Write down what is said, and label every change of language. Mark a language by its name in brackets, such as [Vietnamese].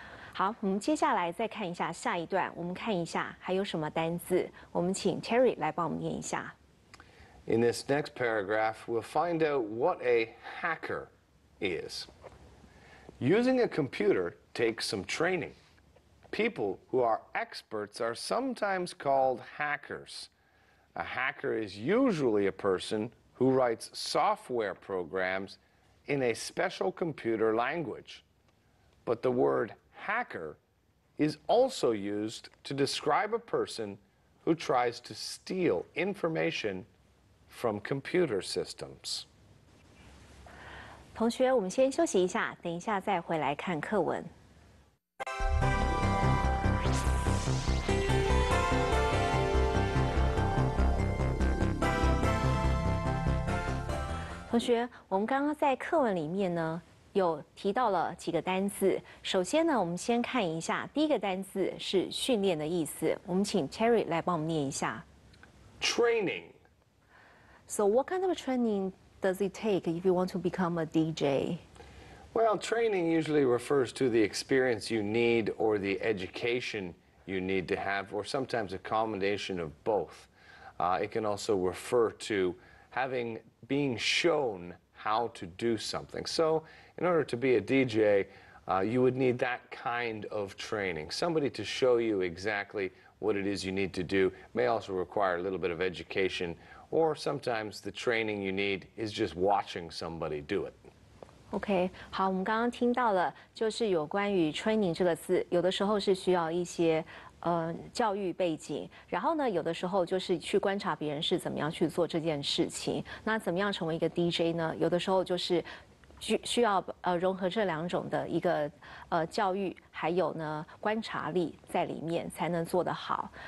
[Chinese] 好，我们接下来再看一下下一段，我们看一下还有什么单字，我们请 Terry 来帮我们念一下。 [English] In this next paragraph, we'll find out what a hacker is. Using a computer takes some training. People who are experts are sometimes called hackers. A hacker is usually a person who writes software programs in a special computer language. But the word hacker is also used to describe a person who tries to steal information. From computer systems. [Chinese] 同学，我们先休息一下，等一下再回来看课文。同学，我们刚刚在课文里面呢，有提到了几个单字。首先呢，我们先看一下第一个单字是训练的意思。我们请 Terry 来帮我们念一下。 [English] Training. So what kind of training does it take if you want to become a DJ? Well, training usually refers to the experience you need or the education you need to have, or sometimes a combination of both. It can also refer to being shown how to do something. So in order to be a DJ, you would need that kind of training. Somebody to show you exactly what it is you need to do may also require a little bit of education, or sometimes the training you need is just watching somebody do it. [Chinese] OK, 好，我们刚刚听到了，就是有关于 training 这个字，有的时候是需要一些教育背景，然后呢，有的时候就是去观察别人是怎么样去做这件事情。那怎么样成为一个 DJ 呢？有的时候就是需要融合这两种的一个教育，还有呢观察力在里面，才能做得好。